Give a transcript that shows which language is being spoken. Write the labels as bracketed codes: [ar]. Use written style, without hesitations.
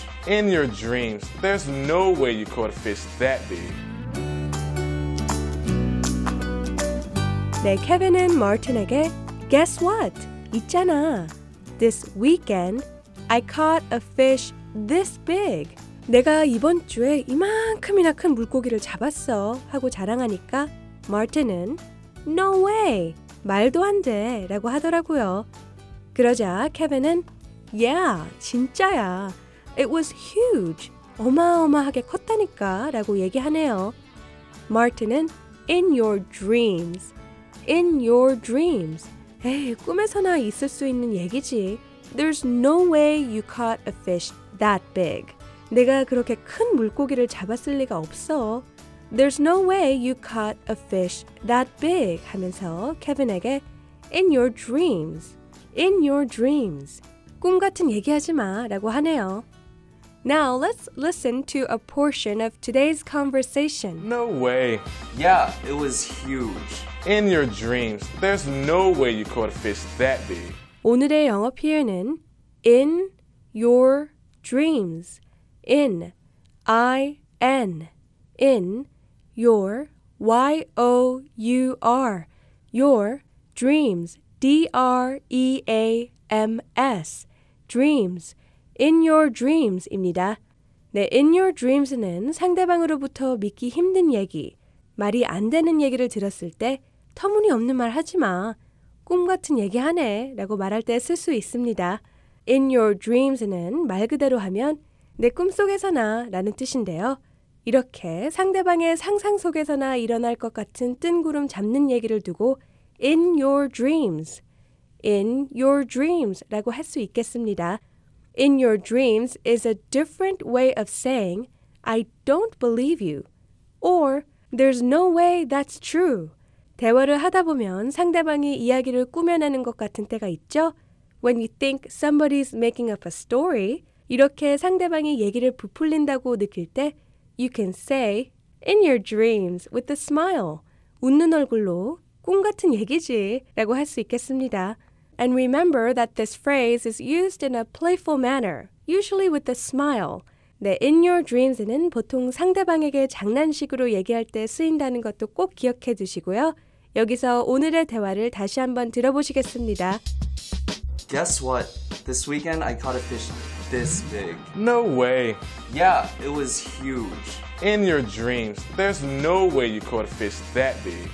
[en] In your dreams, there's no way you caught a fish that big. [ko] 네, 케빈은 마틴에게 [en] Guess what? [ko] 있잖아. [en] This weekend I caught a fish this big. [ko] 내가 이번 주에 이만큼이나 큰 물고기를 잡았어 하고 자랑하니까 마틴은 [en] No way! [ko] 말도 안 돼! 라고 하더라고요. 그러자 케빈은 [en] Yeah! [ko] 진짜야! [en] It was huge! [ko] 어마어마하게 컸다니까! 라고 얘기하네요. 마틴은 [en] In your dreams! In your dreams! [ko] 에이, 꿈에서나 있을 수 있는 얘기지. [en] There's no way you caught a fish that big. [ko] 내가 그렇게 큰 물고기를 잡았을 리가 없어. [en] There's no way you caught a fish that big [ko] 하면서 케빈에게 [en] In your dreams, in your dreams. [ko] 꿈 같은 얘기하지 마 라고 하네요. [en] Now let's listen to a portion of today's conversation. No way. Yeah, it was huge. In your dreams, there's no way you caught a fish that big. [ko] 오늘의 영어 표현은 [en] In your dreams. In, I-N, in, your, Y-O-U-R, your, dreams, D-R-E-A-M-S, dreams, in your dreams입니다. [ko] 네, [en] in your dreams [ko] 는 상대방으로부터 믿기 힘든 얘기, 말이 안 되는 얘기를 들었을 때 터무니없는 말 하지 마, 꿈 같은 얘기하네 라고 말할 때 쓸 수 있습니다. [en] In your dreams [ko] 는 말 그대로 하면 내 꿈속에서나 라는 뜻인데요. 이렇게 상대방의 상상 속에서나 일어날 것 같은 뜬구름 잡는 얘기를 두고 [en] In your dreams, in your dreams [ko] 라고 할 수 있겠습니다. [en] In your dreams is a different way of saying I don't believe you or there's no way that's true. [ko] 대화를 하다 보면 상대방이 이야기를 꾸며내는 것 같은 때가 있죠. [en] When you think somebody's making up a story, [ko] 이렇게 상대방이 얘기를 부풀린다고 느낄 때 [en] You can say In your dreams with a smile [ko] 웃는 얼굴로 꿈 같은 얘기지 라고 할 수 있겠습니다. [en] And remember that this phrase is used in a playful manner, usually with a smile. [ko] 네, [en] In your dreams [ko] 는 보통 상대방에게 장난식으로 얘기할 때 쓰인다는 것도 꼭 기억해 두시고요. 여기서 오늘의 대화를 다시 한번 들어보시겠습니다. [en] Guess what? This weekend I caught a fish this big. No way. Yeah, it was huge. In your dreams, there's no way you caught a fish that big.